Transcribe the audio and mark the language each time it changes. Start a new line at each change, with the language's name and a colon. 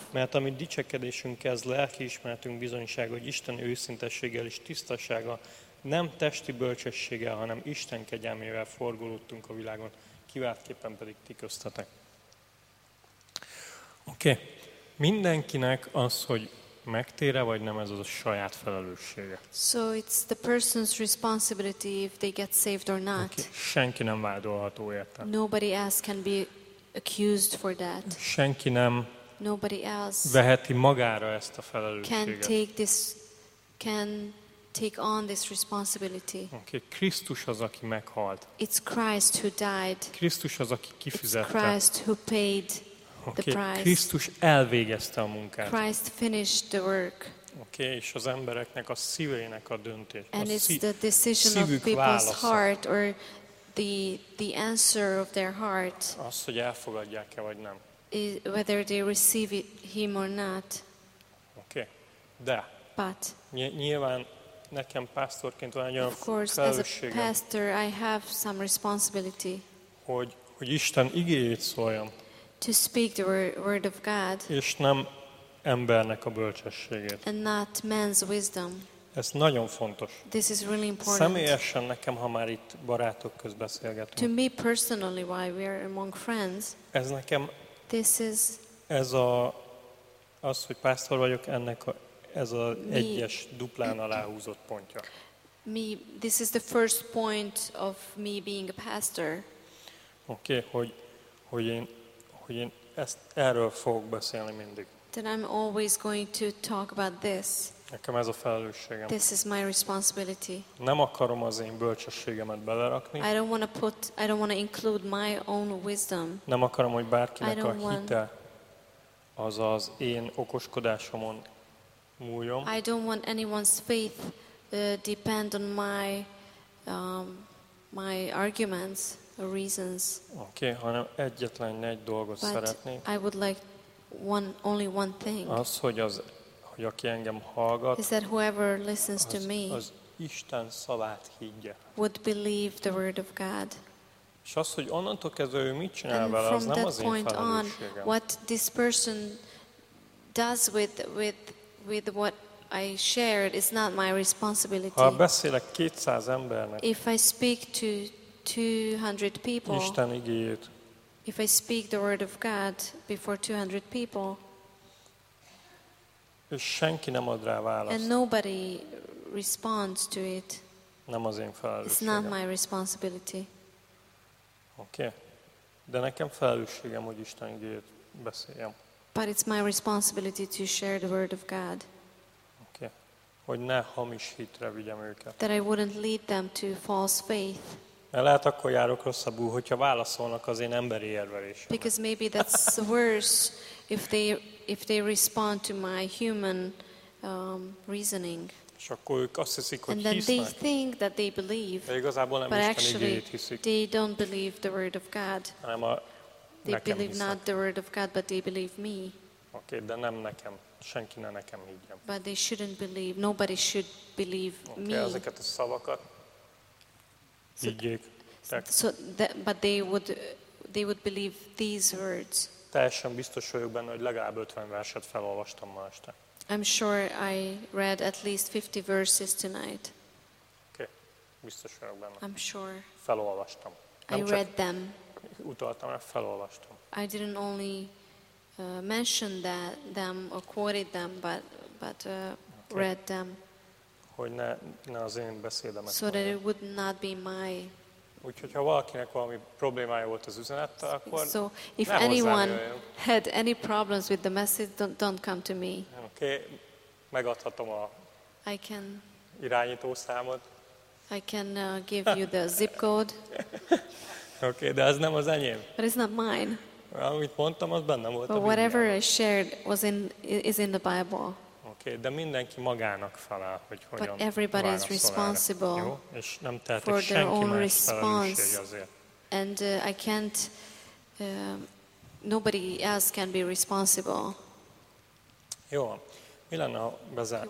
Hungarian: Mert a mi dicsekedésünk ez lelkiismeretünk bizonyság, hogy Isten őszintességgel és tisztasága nem testi bölcsességgel, hanem Isten kegyelmével forgolódtunk a világon. Kiváltképpen pedig ti köztetek. Oké. Mindenkinek az, hogy megtér-e vagy nem, ez az a saját felelőssége.
English: So it's the person's responsibility if they get saved or not. Okay.
Hungarian: Senki nem vádolható érte.
English: Nobody else can be accused for that.
Hungarian: Senki nem.
English: Nobody else.
Hungarian: Veheti magára ezt a felelősséget.
English: Can take on this responsibility. Okay.
Hungarian: Krisztus az, aki meghalt.
English: It's Christ who died.
Hungarian: Krisztus az, aki kifizette.
English: It's Christ who paid the price.
Hungarian: Krisztus elvégezte a munkát.
English: Christ finished the work. Okay.
Hungarian: És az embereknek a szívének a döntés.
English: And it's the decision of people's heart or the answer of their heart.
Hungarian: Az, hogy elfogadják-e vagy nem.
English: Whether they receive him or not.
Hungarian: Okay. De.
English: But.
Hungarian: Nyilván nekem pásztorként van egy olyan felelősségem,
English: pastor, I have some responsibility,
Hungarian: hogy Isten igéjét szóljam,
English: to speak the word of God,
Hungarian: és nem embernek a bölcsességét.
English: And not man's wisdom.
Hungarian: Ez nagyon fontos.
English: This is really important.
Hungarian: Személyesen nekem, ha már itt barátok közt beszélgetünk.
English: To me personally, while we are among friends,
Hungarian: ez nekem,
English: this is,
Hungarian: ez a, az, hogy pásztor vagyok, ennek a ez az egyes duplán aláhúzott pontja.
English: Me, this is the first point of me being a pastor.
Hungarian: Okay, hogy én ezt erről fogok beszélni mindig.
English: That I'm always going to talk about this.
Hungarian: Nekem ez a felelősségem.
English: This is my responsibility.
Hungarian: Nem akarom az én bölcsességemet belerakni.
English: I don't want to include my own wisdom.
Hungarian: Nem akarom, hogy bárkinek a hite azaz én okoskodásomon múljon.
English: I don't want anyone's faith depend on my my arguments or reasons.
Hungarian: Okay, hanem egyetlen egy dolgot szeretnék.
English: I would like only one thing.
Hungarian: Az, hogy aki engem hallgat,
English: is that whoever listens to me,
Hungarian: az Isten szavát higgye.
English: Would believe the word of God.
Hungarian: És az, hogy onnantól kezdve ő mit csinál vele, az nem az én felelősségem.
English: From that point on, what this person does with what I shared is not my responsibility.
Hungarian: Ha beszélek 200 embernek,
English: if I speak to 200 people,
Hungarian: Isten igéjét,
English: if I speak the word of God before 200 people,
Hungarian: és senki nem ad rá választ,
English: and nobody responds to it,
Hungarian: nem az én felelősségem.
English: It's not my responsibility. Okay.
Hungarian: De nekem felelősségem, hogy Isten igéjét beszéljem.
English: But it's my responsibility to share the word of God. Okay.
Hungarian: Hogy ne hamis hitre vigyem őket.
English: That I wouldn't lead them to false faith.
Hungarian: Mert lehet akkor járok rosszabbul, hogyha válaszolnak az én emberi érvelésemre.
English: Because maybe that's worse if they respond to my human reasoning.
Hungarian: És akkor ők azt hiszik, hogy
English: and then they think that they believe.
Hungarian: De igazából nem Isten igéjét hiszik.
English: They don't believe the word of God. They believe not the word of God, but they believe me.
Hungarian: Okay, de nem nekem. Senki ne nekem higgyem.
English: But they shouldn't believe. Nobody should believe me.
Hungarian: Okay, ezeket a szavakat higgyék.
English: But they would believe these words.
Hungarian: Teljesen biztos vagyok benne, hogy legalább 50 verset felolvastam ma este.
English: I'm sure I read at least 50 verses tonight.
Hungarian: Okay, biztos vagyok benne.
English: I'm sure.
Hungarian: Felolvastam.
English: I read them.
Hungarian: Utaltam, mert felolvastam.
English: I didn't only mention them or quoted them, but okay. Read them.
Hungarian: Hogy ne az én beszédemet.
English: So that it would not be my.
Hungarian: Úgyhogy ha valakinek valami problémája volt az üzenettel, akkor.
English: So if anyone had any problems with the message, don't come to me.
Hungarian: Okay, megadhatom a.
English: I can.
Hungarian: Irányító számot.
English: I can give you the zip code.
Hungarian: Okay, de ez nem az enyém.
English: But it's not mine.
Hungarian: Amit mondtam, az benne volt.
English: But whatever I shared was in is in the Bible.
Hungarian: Okay, de mindenki magának felel, hogy hogyan válaszol.
English: But everybody is responsible.
Hungarian: Jó, és nem tehetek senki más felelősség azért.
English: And I can't nobody else can be responsible.
Hungarian: Jó. Mi lenne, ha bezár...